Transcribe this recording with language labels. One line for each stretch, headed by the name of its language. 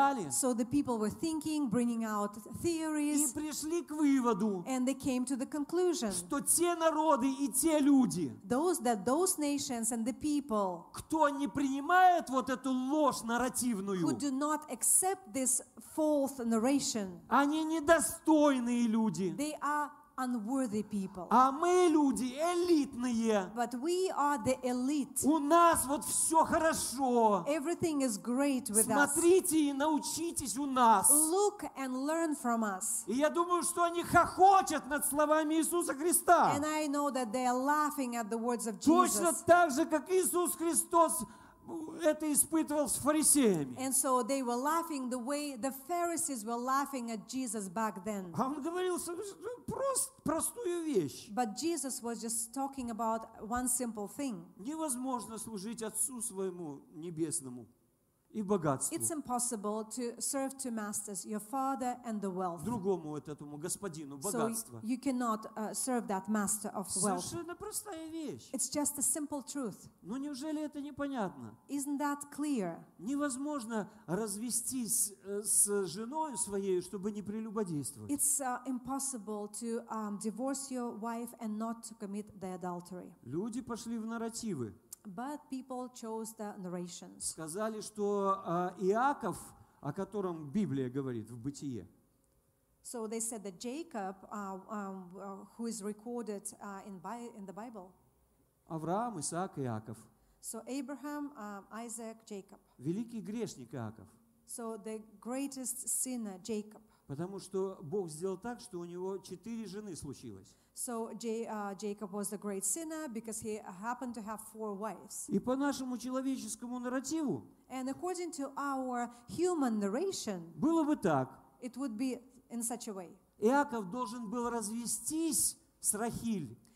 English: So the people were thinking, bringing out theories.
Russian: И пришли к выводу.
English: And they came to the conclusion.
Russian: Что те народы и те люди.
English: Those nations and the people.
Russian: Кто не принимает вот эту ложь нарративную.
English: Who do not accept this false narration.
Russian: Они недостойные люди.
English: They are unworthy people.
Russian: А мы люди элитные.
English: But we are the elite.
Russian: У нас вот все хорошо.
English: Everything is great with
Russian: Смотрите
English: us.
Russian: Смотрите и научитесь у нас.
English: Look and learn from us.
Russian: И я думаю, что они хохочут над словами Иисуса Христа.
English: And I know that they are laughing at the words of
Russian: Точно
English: Jesus.
Russian: Точно так же, как Иисус Христос это испытывал с фарисеями.
English: And so they were laughing the way the Pharisees were laughing at Jesus back then.
Russian: А он говорил простую вещь.
English: But Jesus was just talking about one simple thing.
Russian: Невозможно служить Отцу своему небесному и богатству.
English: It's impossible to serve two masters, your father and the wealth.
Russian: Другому этому господину богатство.
English: So you cannot serve that master of wealth.
Russian: Совершенно простая вещь.
English: It's just a simple truth.
Russian: Но неужели это непонятно?
English: Isn't that clear?
Russian: Невозможно развестись с женой своей, чтобы не прелюбодействовать.
English: It's impossible to divorce your wife and not to commit the adultery.
Russian: Люди пошли в нарративы.
English: But people chose the narrations.
Russian: Сказали, что Иаков, о котором Библия говорит в Бытие.
English: So they said that Jacob, who is recorded in the Bible.
Russian: Авраам, Исаак, Иаков.
English: So Abraham, Isaac, Jacob.
Russian: Великий грешник Иаков.
English: So the greatest sinner, Jacob.
Russian: Потому что Бог сделал так, что у него четыре жены случилось.
English: So Jacob was a great sinner because he happened to have four wives.
Russian: И по нашему человеческому нарративу,
English: and according to our human narration,
Russian: было бы так.
English: It would be in such a way.
Russian: Иаков должен был развестись с Рахиль.